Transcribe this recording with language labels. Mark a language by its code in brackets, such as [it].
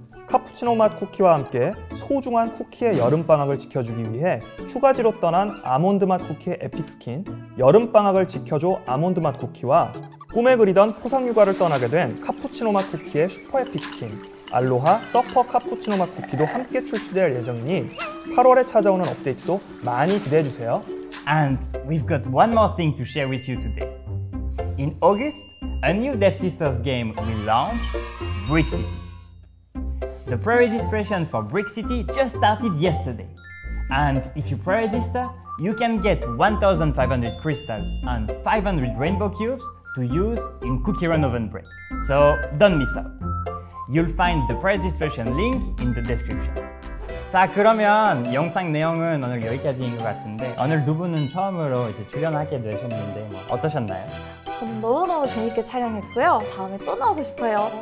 [ko] 카푸치노 맛 쿠키와 함께 소중한 쿠키의 여름방학을 지켜주기 위해 휴가지로 떠난 아몬드 맛 쿠키의 에픽스킨 여름방학을 지켜줘 아몬드 맛 쿠키와 꿈에 그리던 포상휴가를 떠나게 된 카푸치노 맛 쿠키의 슈퍼 에픽스킨 알로하 서퍼 카푸치노 맛 쿠키도 함께 출시될 예정이니 8월에 찾아오는 업데이트도 많이 기대해주세요. [en] And we've got one more thing to share with you today. In August, a new Dev Sisters game will launch, Brixie. The pre-registration for Brick City just started yesterday. And if you pre-register, you can get 1,500 crystals and 500 rainbow cubes to use in Cookie Run Oven Break. So don't miss out. You'll find the pre-registration link in the description. [ko] 자, 그러면 영상 내용은 오늘 여기까지인 것 같은데 오늘 두 분은 처음으로 이제 출연하게 되셨는데 어떠셨나요? 저는 너무너무 재밌게 촬영했고요. 다음에 또 나오고 싶어요.